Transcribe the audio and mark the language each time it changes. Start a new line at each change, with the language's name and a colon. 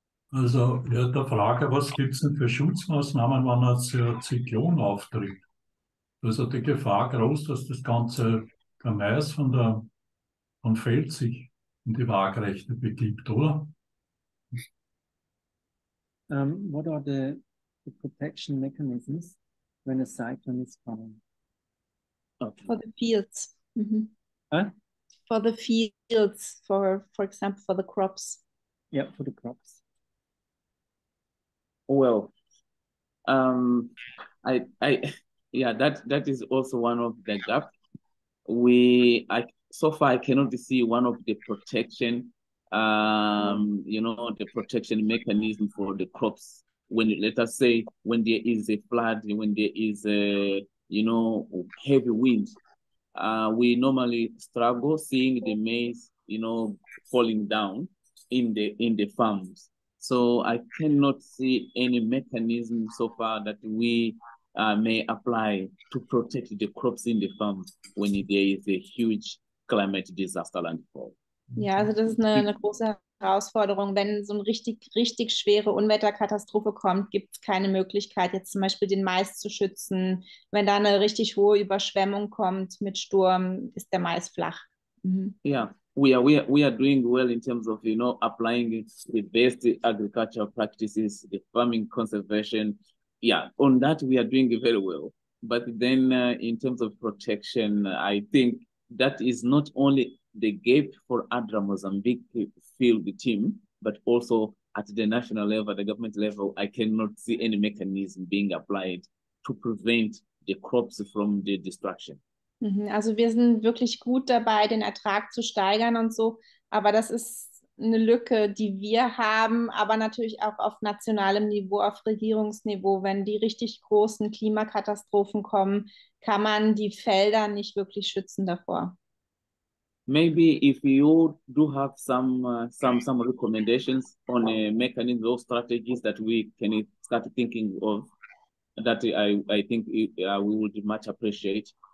German: Also, ja, der Frage, was gibt es denn für Schutzmaßnahmen, wenn ein Zyklon auftritt? Da ist ja die Gefahr groß, dass das ganze der Mais von Feld sich in die Waagrechte begibt, oder?
English: What are the protection mechanisms when a cyclone is coming? Okay. For the fields. Mm-hmm. Huh? For the fields, for example, for the crops. Yeah, for the crops. Well, that is also one of the gaps. So far I cannot see one of the protection, the protection mechanism for the crops. When, let us say, when there is a flood, when there is a, heavy wind, we normally struggle seeing the maize, falling down in the farms. So I cannot see any mechanism so far that we may apply to protect the crops in the farms when there is a huge climate disaster landfall.
German: Ja, also das ist eine große Herausforderung. Wenn so eine richtig, richtig schwere Unwetterkatastrophe kommt, gibt es keine Möglichkeit, jetzt zum Beispiel den Mais zu schützen. Wenn da eine richtig hohe Überschwemmung kommt mit Sturm, ist der Mais flach. Mhm. Ja.
English: We are doing well in terms of applying the best agricultural practices, the farming conservation. Yeah, on that we are doing very well. But then in terms of protection, I think that is not only the gap for ADRA Mozambique field team, but also at the national level, the government level, I cannot see any mechanism being applied to prevent the crops from the destruction.
German: Also wir sind wirklich gut dabei, den Ertrag zu steigern und so, aber das ist eine Lücke, die wir haben, aber natürlich auch auf nationalem Niveau, auf Regierungsniveau, wenn die richtig großen Klimakatastrophen kommen, kann man die Felder nicht wirklich schützen davor.
English: Maybe if you do have some recommendations on a mechanism or strategies that we can start thinking of, that I think we would much appreciate.